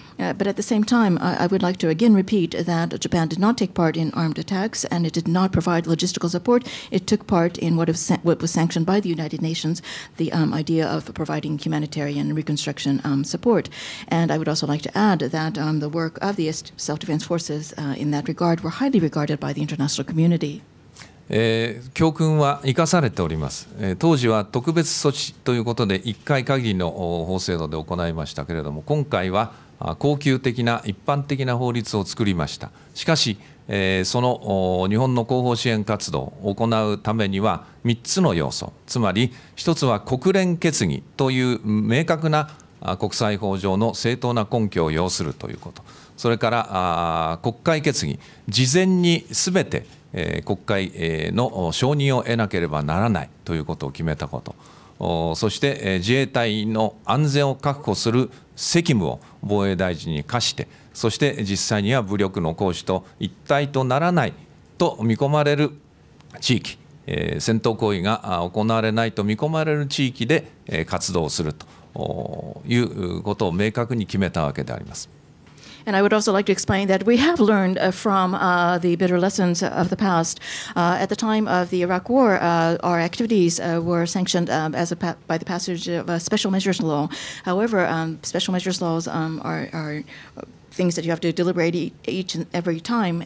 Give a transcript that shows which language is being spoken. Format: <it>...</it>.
<en>But at the same time, I would like to again repeat that Japan did not take part in armed attacks, and it did not provide logistical support. It took part in what was sanctioned by the United Nations, the idea of providing humanitarian reconstruction support. And I would also like to add that the work of the self-defense forces in that regard were highly regarded by the international community.</en> <ja>教訓は生かされております。当時は特別措置ということで1回限りの法制度で行いましたけれども、今回は恒久的な一般的な法律を作りました。しかし、その日本の後方支援活動を行うためには3つの要素、つまり1つは国連決議という明確な国際法上の正当な根拠を要するということ、それから国会決議、事前にすべて国会の承認を得なければならないということを決めたこと、そして自衛隊の安全を確保する責務を防衛大臣に課して、そして実際には武力の行使と一体とならないと見込まれる地域、戦闘行為が行われないと見込まれる地域で活動するということを明確に決めたわけであります。</ja> <en>And I would also like to explain that we have learned from the bitter lessons of the past. At the time of the Iraq War, our activities were sanctioned by the passage of a special measures law. However, special measures laws are things that you have to deliberate each and every time.</en>